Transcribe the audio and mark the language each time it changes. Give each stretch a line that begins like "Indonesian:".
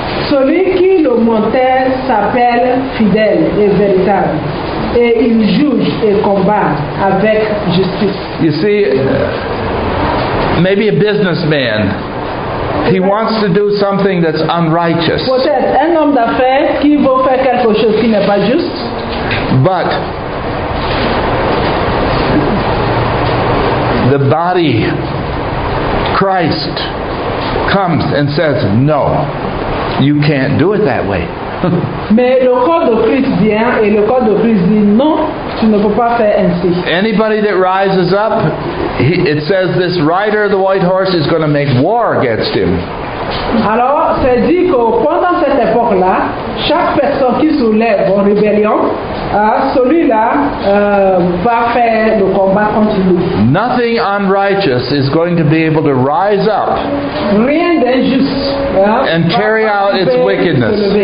French: Celui qui le montait s'appelle Fidèle et Véritable. Et il juge et combat avec justice.
English: You see, maybe a businessman. He wants to do something that's unrighteous.
French: Peut-être un homme d'affaires qui veut faire quelque chose qui n'est pas juste.
English: But the body, Christ, comes and says, no, you can't do it that way.
French: Mais le corps de Christ vient et le corps de Christ dit non, tu ne peux pas faire ainsi.
English: Anybody that rises up, it says this rider of the white horse is going to make war against him.
French: Alors, c'est dit que pendant cette époque-là, chaque personne qui soulève en rébellion, celui-là va faire le combat contre lui.
English: Nothing unrighteous is going to be able to rise up.
French: Rien d'injuste.
English: And carry out its wickedness.